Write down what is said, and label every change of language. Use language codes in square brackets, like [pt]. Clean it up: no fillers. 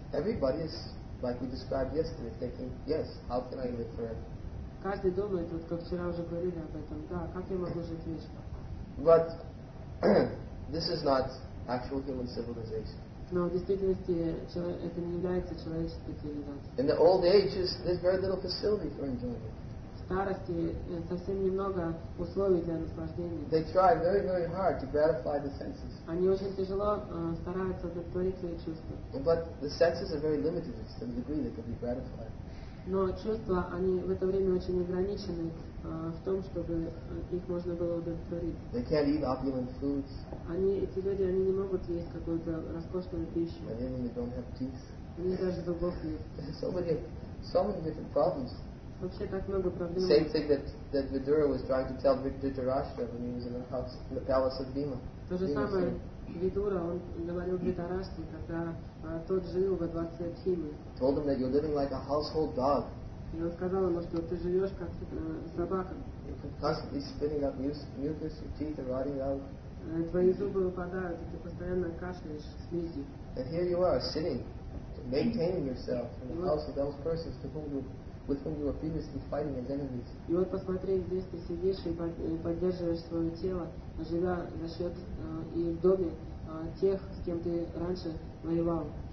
[en] Everybody is, like we described yesterday, thinking, yes, how can I live forever? [ru] Каждый думает, вот как вчера уже говорили об этом, да, как я могу жить вечно? [en] But this is not actual human civilization. [ru] Но в действительности это не является человеческой цивилизацией. [en] In the old ages, there's very little facility for enjoyment. [ru] Старости совсем немного условий для наслаждения. [en] They try very, very hard to gratify the senses. [ru] Они очень тяжело стараются удовлетворить свои чувства. [en] But the senses are very limited to the degree they can be gratified. [ru] Но чувства они в это время очень ограничены в том, чтобы их можно было удовлетворить. [en] They can't eat opulent foods. [ru] Эти люди не могут есть какую-то роскошную пищу. [en] And even they don't have teeth. [ru] У них даже зубов нет. [en] So many different problems. [ru] Вообще так много проблем. [en] Same thing that Vidura was trying to tell Dhritarashtra when he was in the house, in the palace of Bhima. [ru] То же самое Видура, он говорил Дхритарашти, когда тот жил во дворце Бхимы. [en] Told him that you're living like a household dog. [ru] И он сказал ему, что ты живешь как собака. [en] Constantly spitting up mucus, your teeth are rotting out. [ru] Твои зубы выпадают, и ты постоянно кашляешь слизи. [en] And here you are sitting, maintaining yourself in the house of those persons to whom you with whom you were previously fighting as enemies. [ru] И вот посмотри, здесь ты сидишь и поддерживаешь свое тело, живя за счет и в доме тех, с кем ты раньше воевал.